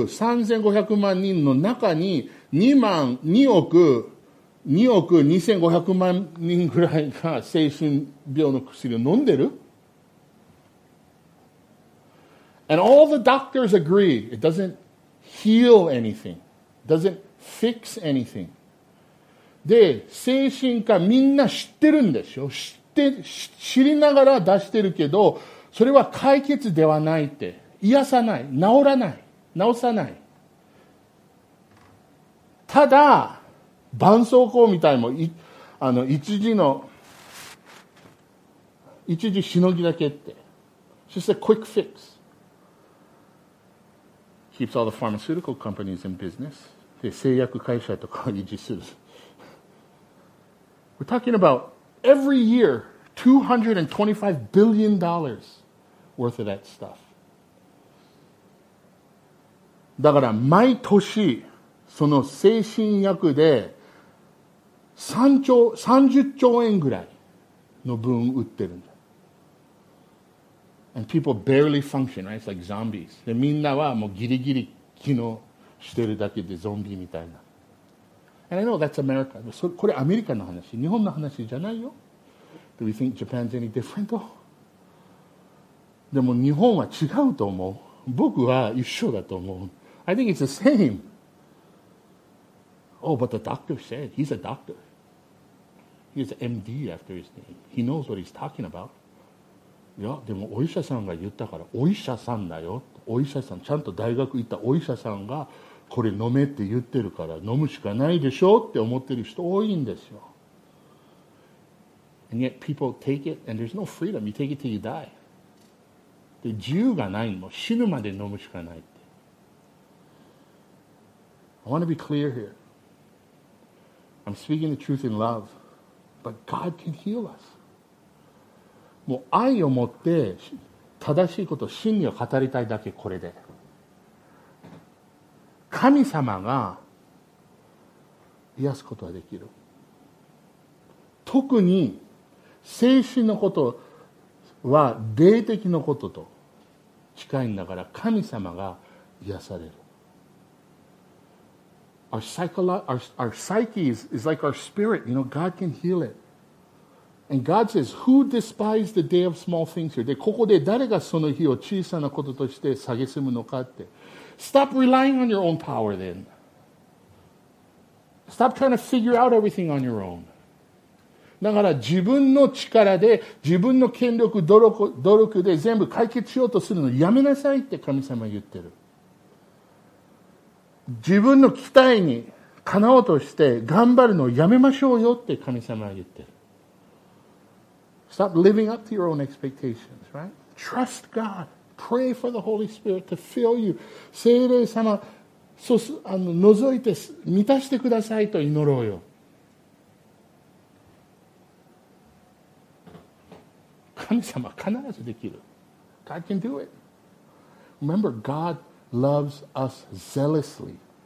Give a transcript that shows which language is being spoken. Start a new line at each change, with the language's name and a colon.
Japanese: 3億3500万人の中に2億2500万人ぐらいが精神病の薬を飲んでる。
English: And all the doctors agree it doesn't heal anything, doesn't fix anything.
Japanese: で、精神科みんな知ってるんでしょ。で知りながら出してるけど、それは解決ではないって、癒さない、治らない、治さない。ただ絆創膏みたいも一時しのぎだけって、
English: just a quick fix keeps all the pharmaceutical companies in business
Japanese: で製薬会社とかを維持する。
English: We're talking about every year. 225 billion dollars worth of that stuff.
Japanese: だから毎年その精神薬で30兆円ぐらいの分売ってるんだ。
English: And people barely function, right? It's like zombies.
Japanese: でみんなはもうギリギリ機能してるだけでゾンビみたいな。
English: And I know that's America.
Japanese: これアメリカの話、日本の話じゃないよ。
English: Do we think Japan's any different?
Japanese: でも日本は違うと思う。僕は一緒だと思う。
English: I think it's the same. Oh, but the doctor said he's a doctor. He has MD after his name. He knows what he's talking about.
Japanese: いや、でもお医者さんが言ったから、お医者さんだよ。お医者さん、ちゃんと大学行ったお医者さんがこれ飲めって言ってるから飲むしかないでしょって思ってる人多いんですよ。
English: And yet people take it, and there's no freedom. You take it till you die.
Japanese: で、自由がないの。死ぬまで飲むしかないって。
English: I want to be clear here. I'm speaking the truth in love, but God can heal us.
Japanese: もう愛を持って正しいこと、真理を語りたいだけこれで。神様が癒すことはできる。特に精神のことは霊的のことと近いんだから神様が癒される。
English: Our psyche is like our spirit. You know, God can heal it. And God says, who despised the day of small things here?
Japanese: で、ここで誰がその日を小さなこととして蔑むのかって。
English: Stop relying on your own power then. Stop trying to figure out everything on your own.
Japanese: だから自分の力で自分の権力努力で全部解決しようとするのやめなさいって神様は言ってる。自分の期待にかなおうとして頑張るのをやめましょうよって神様は言ってる。
English: Stop living up to your own expectations, right? Trust God. Pray for the Holy Spirit to fill you.
Japanese: 聖霊様そす覗いて満たしてくださいと祈ろうよ。神様必ずできる。
English: God can do it. Remember, God loves us zealously.